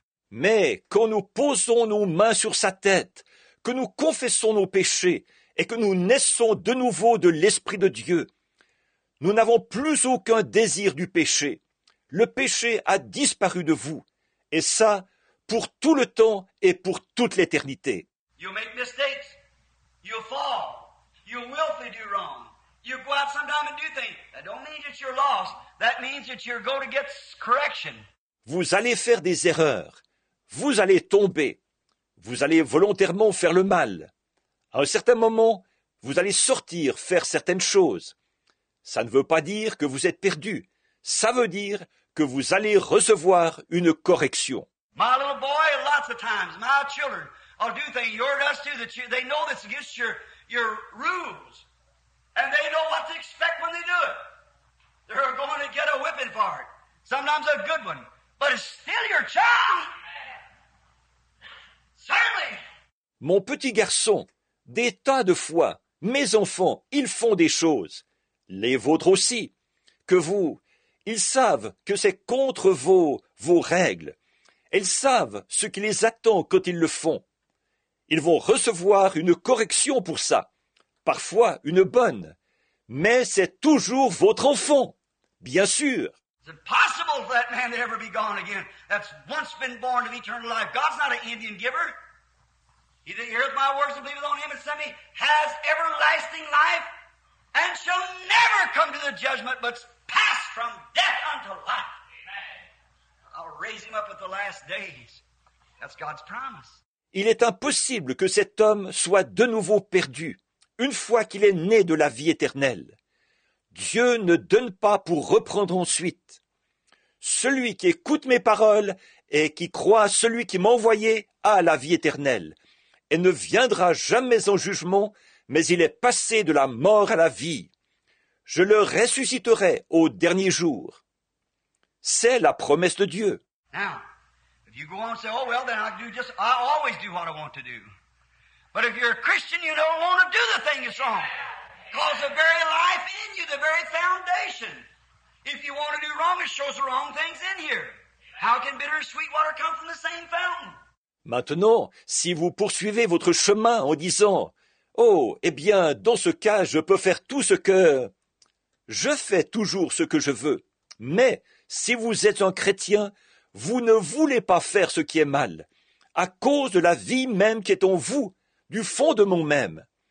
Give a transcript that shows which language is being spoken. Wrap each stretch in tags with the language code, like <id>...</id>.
<fr>Mais quand nous posons nos mains sur sa tête, que nous confessons nos péchés et que nous naissons de nouveau de l'Esprit de Dieu, nous n'avons plus aucun désir du péché. Le péché a disparu de vous, et ça, pour tout le temps et pour toute l'éternité.</fr> <en>You make mistakes. You fall. You willfully do wrong. You go out sometime and do things. That don't mean that you're lost. That means that you're going to get correction.</en> <fr>Vous allez faire des erreurs. Vous allez tomber. Vous allez volontairement faire le mal. À un certain moment, vous allez sortir faire certaines choses. Ça ne veut pas dire que vous êtes perdu. Ça veut dire que vous allez recevoir une correction.</fr> <en>My little boy, lots of times, my children, I'll do things, you're just too, that you, they know that's against your rules. And they know what to expect when they do it. They're going to get a whipping for it. Sometimes a good one. But it's still your child. Certainly.</en> <fr>Mon petit garçon, des tas de fois, mes enfants, ils font des choses. Les vôtres aussi. Que vous, ils savent que c'est contre vos règles. Elles savent ce qui les attend quand ils le font. Ils vont recevoir une correction pour ça, parfois une bonne, mais c'est toujours votre enfant, bien sûr.</fr> <en>It's impossible for that man to ever be gone again. That's once been born of eternal life. God's not an Indian giver. He that heareth my words and believeth on him and sent me has everlasting life and shall the judgment, but passed from death unto life. Amen. I'll raise him up at the last days. That's God's promise.</en> <fr>Il est impossible que cet homme soit de nouveau perdu, une fois qu'il est né de la vie éternelle. Dieu ne donne pas pour reprendre ensuite. Celui qui écoute mes paroles et qui croit à celui qui m'a envoyé a la vie éternelle et ne viendra jamais en jugement, mais il est passé de la mort à la vie. Je le ressusciterai au dernier jour. C'est la promesse de Dieu.</fr> <en>Now, if you go on and say, oh, well, then I always do what I want to do. But if you're a Christian, you don't want to do the thing that's wrong. Because the very life in you, the very foundation. If you want to do wrong, it shows the wrong things in here. How can bitter and sweet water come from the same fountain?</en> <fr>Maintenant, si vous poursuivez votre chemin en disant, oh, eh bien, dans ce cas, je peux faire tout ce que... Je fais toujours ce que je veux. Mais si vous êtes un chrétien, vous ne voulez pas faire ce qui est mal, à cause de la vie même qui est en vous, du fond de mon même.</fr>